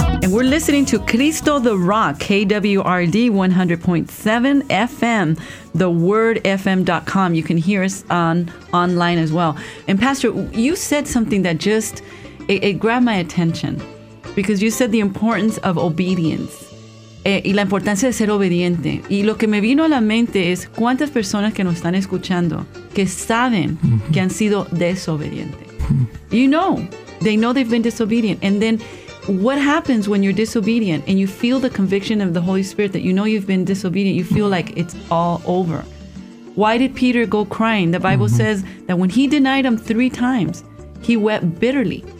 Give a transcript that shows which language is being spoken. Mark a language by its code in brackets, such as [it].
[en] We're listening to Cristo the Rock, KWRD 100.7 FM, thewordfm.com. You can hear us on online as well. And Pastor, you said something that just, it grabbed my attention, because you said the importance of obedience. [es] Y la importancia de ser obediente. Y lo que me vino a la mente es cuántas personas que nos están escuchando que saben que han sido desobedientes. [en] You know, they know they've been disobedient. And then, what happens when you're disobedient and you feel the conviction of the Holy Spirit that you know you've been disobedient? You feel like it's all over. Why did Peter go crying? The Bible says that when he denied him three times, he wept bitterly.